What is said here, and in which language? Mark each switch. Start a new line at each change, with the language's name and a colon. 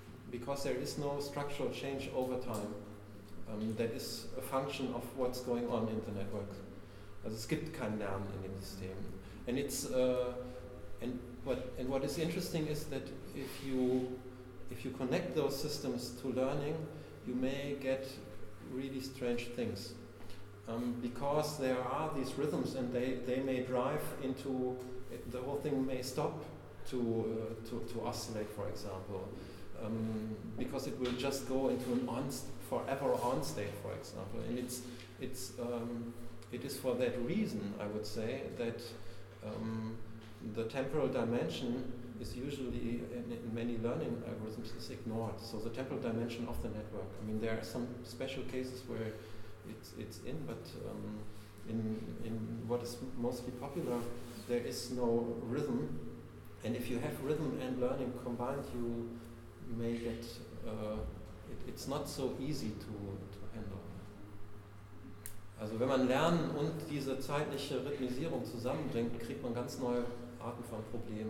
English: Because there is no structural change over time. That is a function of what's going on in the network.
German: Also es gibt kein Lernen in dem System.
English: And it's what is interesting is that if you connect those systems to learning, you may get really strange things. Because there are these rhythms, and they may drive into the whole thing may stop to oscillate, for example. Because it will just go into an forever on state, for example, and it is for that reason, I would say, that the temporal dimension is usually in many learning algorithms is ignored. So the temporal dimension of the network. I mean, there are some special cases where it's in, but in what is mostly popular, there is no rhythm. And if you have rhythm and learning combined, you may get it's not so easy to handle.
German: Also wenn man Lernen und diese zeitliche Rhythmisierung zusammenbringt, kriegt man ganz neue Arten von Problemen.